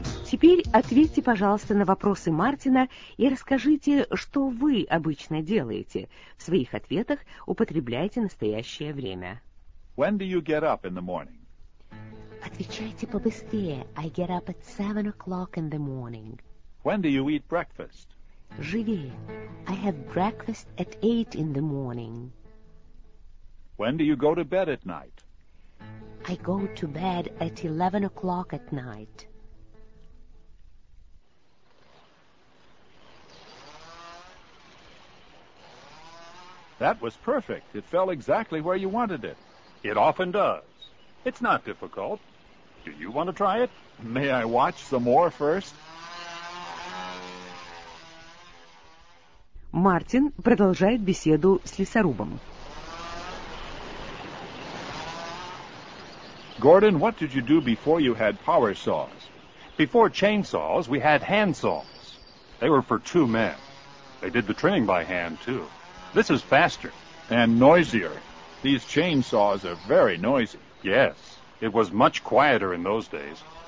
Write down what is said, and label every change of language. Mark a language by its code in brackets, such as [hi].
[ru] Теперь ответьте, пожалуйста, на вопросы Мартина и расскажите, что вы обычно делаете. В своих ответах употребляйте настоящее время. [en] When do you get up in the morning? [ru] Отвечайте побыстрее. [en] I get up at 7 o'clock in the morning. When do you eat breakfast? [ru] Живее. [en] I have breakfast at 8 in the morning. When do you go to bed at night? I go to bed at 11 o'clock at night. That was perfect. It fell exactly where you wanted it. It often does. It's not difficult. Do you want to try it? May I watch some more first? [ru] Мартин продолжает беседу с лесорубом. [en] Gordon, what did you do before you had power saws? Before chainsaws, we had hand saws. They were for two men. They did the trimming by hand, too. This is faster and noisier. These chainsaws are very noisy. Yes, it was much quieter in those days.